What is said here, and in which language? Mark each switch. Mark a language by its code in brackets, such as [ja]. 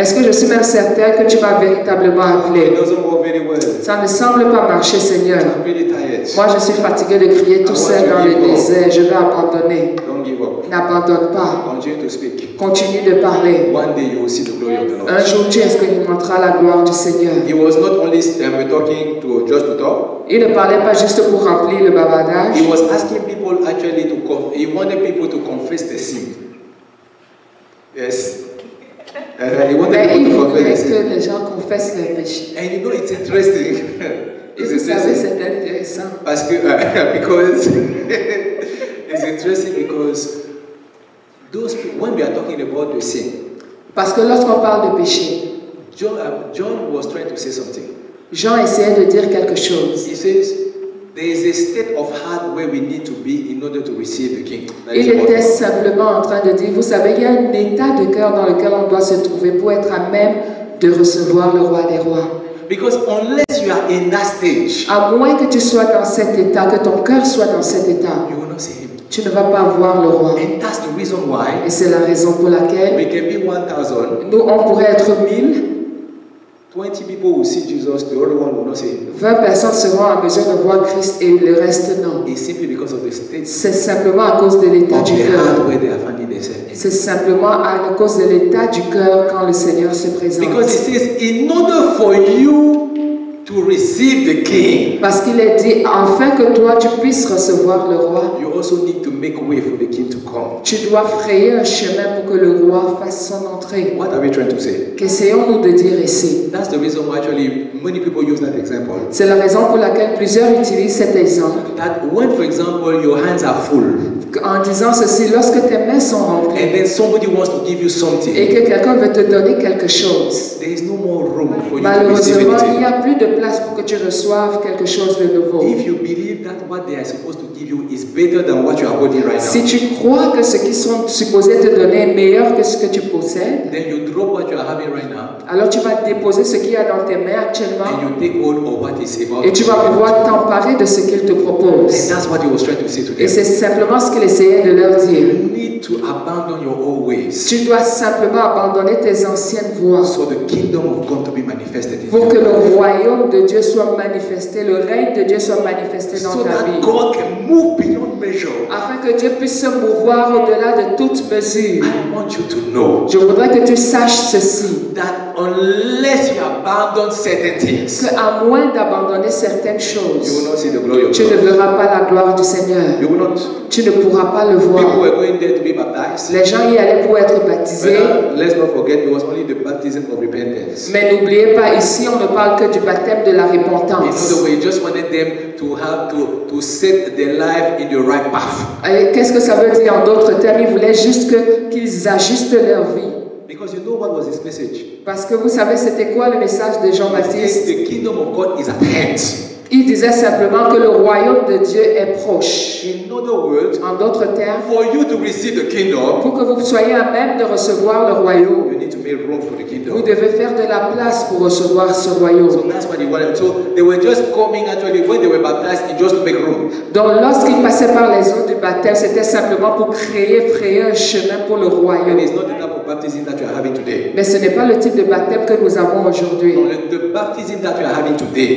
[fr] Est-ce que je suis même certain que tu m'as véritablement appelé? [en] It doesn't work very well. [fr] Ça ne semble pas marcher, Seigneur. [en] I'm really tired. [fr] Moi, je suis fatigué de crier tout seul dans le désert. Je vais abandonner. [en] Don't give up. [fr] N'abandonne pas. [en] Continue to speak. [fr] Continue de parler. [en] One day you will see the glory of the Lord. [fr] Un jour, tu expérimenteras la gloire du Seigneur. [en] He was not only talking to just to talk. [fr] Il ne parlait pas juste pour remplir le bavardage. [en] He was asking people actually to come. He wanted people to confess their sin. Yes. He wanted people to confess their sin. [fr] Mais il voulait que les gens confessent leurs péchés. [en] And you know it's interesting. [fr] C'est intéressant. Parce que [en] it's interesting because those people, when we are talking about the sin. [fr] Parce que lorsqu'on parle de péché, [en] John was trying to say something. [fr] Jean essayait de dire quelque chose. [en] He says, there is a state of heart where we need to be in order to receive the king. [fr] Il était simplement en train de dire, vous savez, il y a un état de cœur dans lequel on doit se trouver pour être à même de recevoir le roi des rois. [en] Because unless you are in that stage, [fr] à moins que tu sois dans cet état, que ton cœur soit dans cet état, [en] you will not see him. [fr] Tu ne vas pas voir le roi. [en] And that's the reason why. [fr] Et c'est la raison pour laquelle [en] we can be 1,000. [fr] Nous, on pourrait être 1,000. [en] 20 people will see Jesus, the other one will not see. [fr] 20 personnes seront en mesure de voir Christ et le reste non. [en] It's simply because of the state. [fr] C'est simplement à cause de l'état du cœur. [en] Where they are finding themselves. [fr] C'est simplement à cause de l'état du cœur quand le Seigneur se présente. [en] Because it says, in order for you to receive the king. [fr] Parce qu'il est dit, afin que toi tu puisses recevoir le roi. [en] You also need to make way for the king to come. [fr] Tu dois frayer un chemin pour que le roi fasse son entrée. [en] What are we trying to say? [fr] Qu'essayons-nous de dire ici? [en] That's the reason why actually many people use that example. [fr] C'est la raison pour laquelle plusieurs utilisent cet exemple. [en] That when, for example, your hands are full. [fr] en disant ceci, lorsque tes mains sont remplies, [en] and then somebody wants to give you something, [fr] et que quelqu'un veut te donner quelque chose, [en] there is no more room for you. [fr] Malheureusement, il n'y a plus de place pour que tu reçoives quelque chose de nouveau. [en] If you believe that what they are supposed to give you is better than what you are holding right now, [fr] si tu crois que ce qu'ils sont supposés te donner est meilleur que ce que tu possèdes, [en] then you drop what you are having right now. [fr] Alors tu vas déposer ce qu'il y a dans tes mains actuellement. [en] And you take hold of what is about, [fr] et tu vas pouvoir t'emparer de ce qu'il te propose. [en] And that's what he was trying to say to them. [fr] Et c'est simplement ce qu'il essayait de leur dire. [en] You need to abandon your old ways. [fr] Tu dois simplement abandonner tes anciennes voies. [en] So the kingdom of God to be manifested in [fr] pour que le royaume de Dieu soit manifesté, le règne de Dieu soit manifesté dans [en] so [fr] ta vie. [en] God can move beyond measure. [fr] Afin que Dieu puisse se mouvoir au-delà de toute mesure. [en] I want you to know, [fr] je voudrais que tu saches ceci. [en] That unless you abandon certain things, [fr] que à moins d'abandonner certaines choses, [en] you will not see the glory of [fr] tu [en] God. [fr] Ne verras pas la gloire du Seigneur. [en] You will not. [fr] Tu ne pourras pas le voir. [en] People were going there to be baptized. [fr] Les gens y allaient pour être baptisés. [en] Let's not forget, it was only the baptism of repentance. [fr] Mais n'oubliez pas, ici on ne parle que du baptême de la repentance. [en] In other words, he just wanted them to have to set their life in the right path. [fr] Et qu'est-ce que ça veut dire en d'autres termes? Il voulait juste qu'ils ajustent leur vie. [en] Because you know what was his message. [fr] Parce que vous savez c'était quoi le message de Jean-Baptiste? [en] The kingdom of God is at hand. [fr] Il disait simplement que le royaume de Dieu est proche. [en] In other words, [fr] en d'autres termes, [en] for you to receive the kingdom, [fr] pour que vous soyez à même de recevoir le royaume, [en] you need to make room for the kingdom. [fr] Vous devez faire de la place pour recevoir ce royaume. [en] So that's what he wanted. So they were just coming actually when they were baptized, and just to make room. [fr] Donc lorsqu'ils passaient par les eaux du baptême, c'était simplement pour frayer un chemin pour le royaume. [en] And it's not the type of baptism that you are having today. [fr] Mais ce n'est pas le type de baptême que nous avons aujourd'hui. [en] No, the baptism that you are having today,